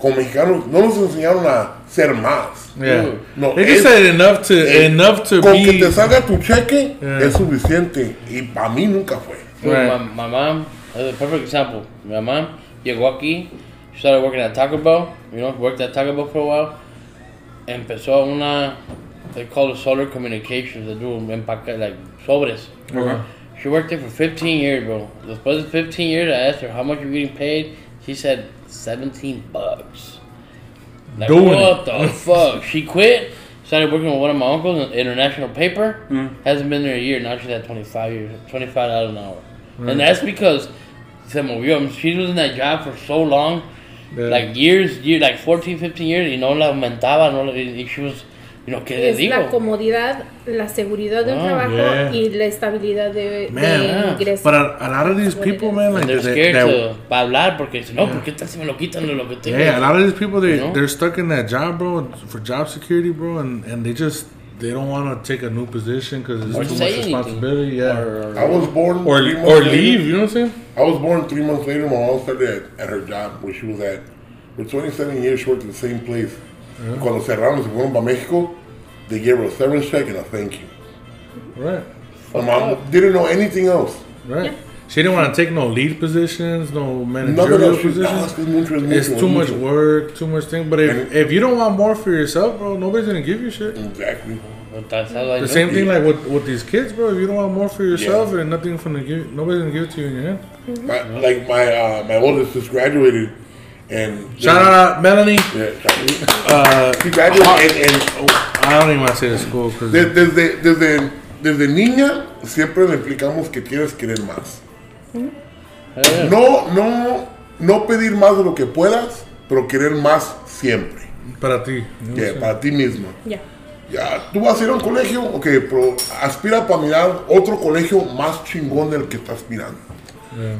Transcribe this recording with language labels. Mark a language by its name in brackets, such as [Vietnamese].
[Spanish] Como mexicanos, no nos enseñaron a ser más. [English] Yeah. No, they just said enough to [Spanish] con [English] be. [Spanish] Con que te salga tu cheque, yeah. Es suficiente. Y para mí nunca fue. [English] My mom, that's a perfect example. My mom llegó aquí, she started working at Taco Bell, you know, worked at Taco Bell for a while. Empezó una, they call it solar communications, they do empaque, like sobres. Okay. Uh-huh. She worked there for 15 years, bro. Después de 15 years, I asked her, how much are you getting paid? She said, $17. Like, doing what The fuck? She quit, started working with one of my uncles, an international paper. Mm. Hasn't been there a year. Now she's at $25 an hour. Right. And that's because she was in that job for so long, yeah. Like years, like 14, 15 years, y no la aumentaba, no la, y she was... You know, [Spanish] es la comodidad, la seguridad de un trabajo y la estabilidad de ingresos. [English] Man, but a lot of these people, man, like... [Spanish] And they're scared to hablar porque dicen, no, ¿por qué tal si me lo quitan de lo que tengo? [English] Yeah, a lot of these people, they're stuck in that job, bro, for job security, bro, and they just, they don't want to take a new position because it's too much responsibility. Yeah. I was born... Or leave, you know what I'm saying? I was born 3 months later, my mom started at her job where she was at. For 27 years, she worked at the same place. Yeah. Cuando cerraron, se fueron para México, they gave her a severance check and a thank you. Right. My mom didn't know anything else. Right. Yeah. She didn't want to take no lead positions, no managerial positions. It's too much work, too much thing. But if you don't want more for yourself, bro, nobody's going to give you shit. Exactly. But that's how I know. Same thing like with these kids, bro. If you don't want more for yourself, and nothing from the give, nobody's going to give it to you in your head. My oldest just graduated. And shout out, Melanie. Yeah, she graduated. I don't even want to say the school. [Spanish] Desde niña, siempre le explicamos que quieres querer más. No pedir más de lo que puedas, pero querer más siempre. Para ti. Para ti misma. Ya. [English] Yeah. [Spanish] Tú vas a ir a un colegio, ok, pero aspira para mirar otro colegio más chingón del que estás mirando. Yeah.